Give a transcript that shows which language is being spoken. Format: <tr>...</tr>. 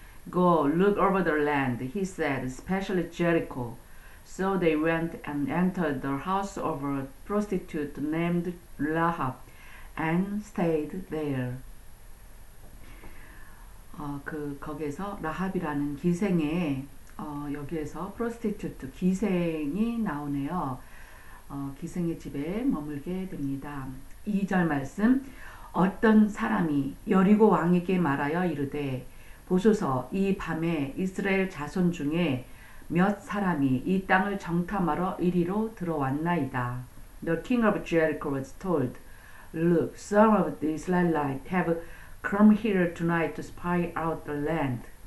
<en>Go, look over the land, he said, especially Jericho. So they went and entered the house of a prostitute named Rahab and stayed there.</en> <ko>거기에서 라합이라는 기생의 여기에서 프로스티튜트 기생이 나오네요. 기생의 집에 머물게 됩니다. 2절 말씀. 어떤 사람이 여리고 왕에게 말하여 이르되 보소서 이 밤에 이스라엘 자손 중에 몇 사람이 이 땅을 정탐하러 이리로 들어왔나이다.</ko> <en>The king of Jericho was told, Look, some of the Israelites have come here tonight to spy out the land.</en>